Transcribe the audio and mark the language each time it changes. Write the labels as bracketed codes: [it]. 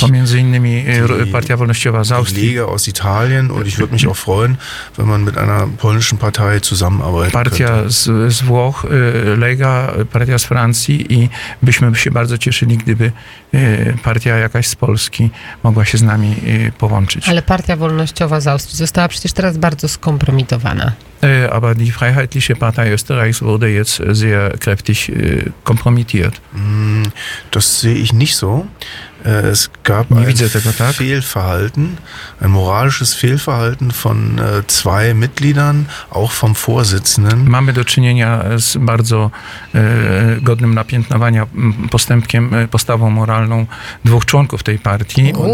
[pl] Pomiędzy innymi Partia Wolnościowa z Austrii. [de] Lega aus Italien und ich würde mich auch freuen, wenn man mit einer polnischen Partei zusammenarbeiten [pl] Partia [de] könnte. [pl] Z Włoch, Lega, Partia z Francji i byśmy się bardzo cieszyli, gdyby partia jakaś z Polski mogła się z nami połączyć. Ale Partia Wolnościowa z Austrii została przecież teraz bardzo skompromitowana. [de] Aber die Freiheitliche Partei Österreichs wurde jetzt sehr kräftig kompromittiert. Das sehe ich nicht so. Es gab ein moralisches Fehlverhalten von zwei Mitgliedern, auch vom Vorsitzenden. [pl] Mamy do czynienia z bardzo godnym napiętnowania postępkiem, postawą moralną dwóch członków tej partii.